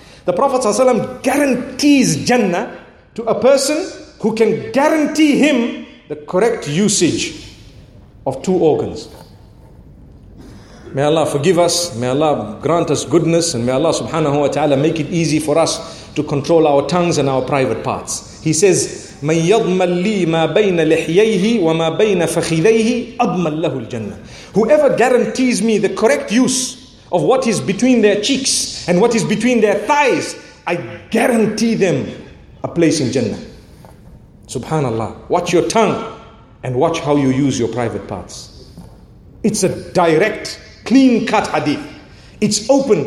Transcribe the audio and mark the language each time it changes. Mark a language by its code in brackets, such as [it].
[en] The Prophet ﷺ guarantees Jannah to a person who can guarantee him the correct usage of two organs. May Allah forgive us. May Allah grant us goodness. And may Allah subhanahu wa ta'ala make it easy for us to control our tongues and our private parts. He says, [ar] "مَنْ يَضْمَنْ لِي مَا بَيْنَ لِحْيَيْهِ وَمَا بَيْنَ فَخِذَيْهِ أَضْمَنْ لَهُ الْجَنَّةِ." [en] Whoever guarantees me the correct use of what is between their cheeks and what is between their thighs, I guarantee them a place in Jannah. Subhanallah. Watch your tongue and watch how you use your private parts. It's a direct, clean-cut hadith. It's open.